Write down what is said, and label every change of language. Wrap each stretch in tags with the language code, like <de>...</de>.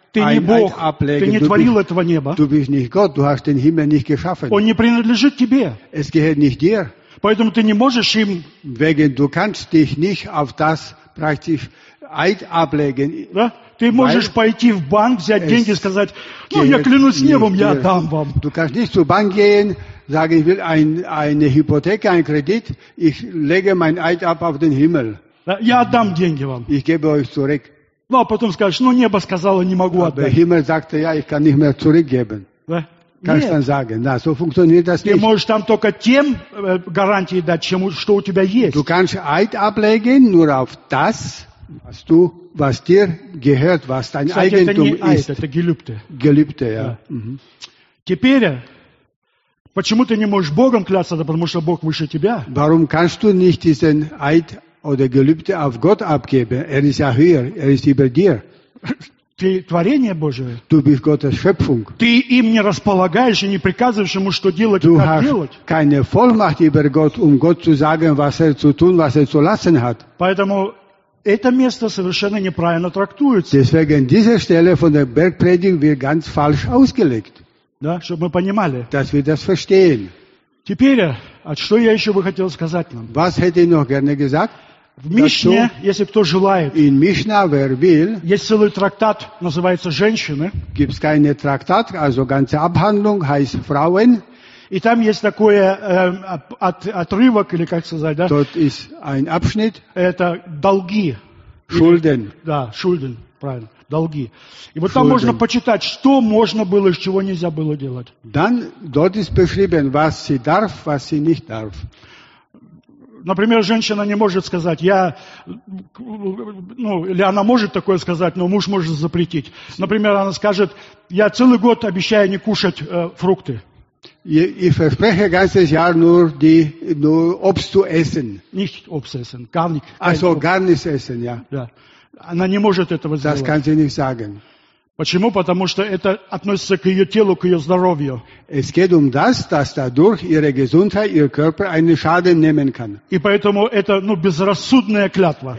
<ru>ты не Бог, ты не творил этого неба.</ru> <de>Du bist nicht Gott, du hast den Himmel nicht geschaffen.</de> <ru>Он не принадлежит тебе.</ru> <de>Es gehört nicht dir.</de> <ru>Поэтому ты не можешь им...</ru> <de>Wegen, du kannst dich nicht auf das praktisch Eid ablegen.</de> <ru>Да? Ты можешь пойти в банк, взять деньги и сказать, ну, я клянусь небом, я отдам вам.</ru> <de>Du kannst nicht zur Bank gehen, sagen, ich will eine Hypothek, einen Kredit, ich lege mein Eid ab auf den Himmel.</de> <ru>Да? Я отдам деньги вам.</ru> <de>Ich gebe euch zurück.</de> <ru>Ну, а потом скажешь, ну, небо сказало, не могу отдать.</ru> <de>Aber Himmel sagte, ja, ich kann nicht mehr zurückgeben.</de> <ru>Да?</ru> <de>Kannst</de> <ru>Нет.</ru> <de>dann sagen, na, so funktioniert das</de> <ru>ты</ru> <de>nicht.</de> <ru>Ты можешь там только тем гарантии дать, чем, что у тебя есть.</ru> <de>Du kannst Eid ablegen, nur auf das, was, du, was dir gehört, was dein</de> <ru>Кстати,</ru> <de>Eigentum</de> <ru>это не</ru> <de>ist. Eid, это Gelübde. Gelübde, ja.</de> <ru>Теперь, почему ты не можешь Богом клясться, да потому что Бог выше тебя.</ru> <de>Warum kannst du nicht diesen Eid oder Gelübde auf Gott abgeben? Er ist ja höher, er ist über dir.</de> <ru>Ты творение Божие.</ru> <de>Du bist Gottes Schöpfung.</de> <ru>Ты им не располагаешь и не приказываешь ему, что делать</ru> <de>du</de> <ru>и как делать.</ru> <de>Du hast keine Vollmacht über Gott, Gott zu sagen, was zu tun, was zu lassen hat.</de> <ru>Поэтому это место совершенно неправильно трактуется.</ru> <de>Deswegen diese Stelle von der Bergpredigt wird ganz falsch ausgelegt.</de> <ru>Да, чтобы мы понимали.</ru> <de>Dass wir das verstehen.</de> <ru>Теперь, а что я еще бы хотел сказать нам?</ru> <de>Was hätte ich noch gerne gesagt?</de> <ru>В Мишне, если кто желает,</ru> <de>in Mishna, wer will,</de> <ru>есть целый трактат, называется «Женщины».</ru> <de>Gibt's keine Traktat, also ganze Abhandlung heißt «Frauen».</de> <ru>И там есть такой отрывок, или как сказать, да?</ru> <de>Dort ist ein Abschnitt.</de> <ru>Это «Долги».</ru> <de>Schulden.</de> <ru>Или, да, «Schulden», правильно. Долги. И вот Schulden. Там можно почитать, что можно было и чего нельзя было делать.</ru> <de>Dann, dort ist beschrieben, was sie darf, was sie nicht darf.</de> <ru>Например, женщина не может сказать, я, ну, или она может такое сказать, но муж может запретить. Например, она скажет, я целый год обещаю не кушать фрукты.</ru> <de>Ich verspreche ganzes Jahr nur Obst zu essen. Nicht Obst essen, gar nicht. Also gar nicht essen, ja. Ja.</de> <ru>Она не может этого сделать.</ru> <de>Das kann sie nicht sagen.</de> <ru>Почему? Потому что это относится к ее телу, к ее здоровью.</ru> <de>Es geht um das, dass dadurch ihre Gesundheit, ihr Körper einen Schaden nehmen kann.</de> <ru>И поэтому это, ну, безрассудная клятва.</ru>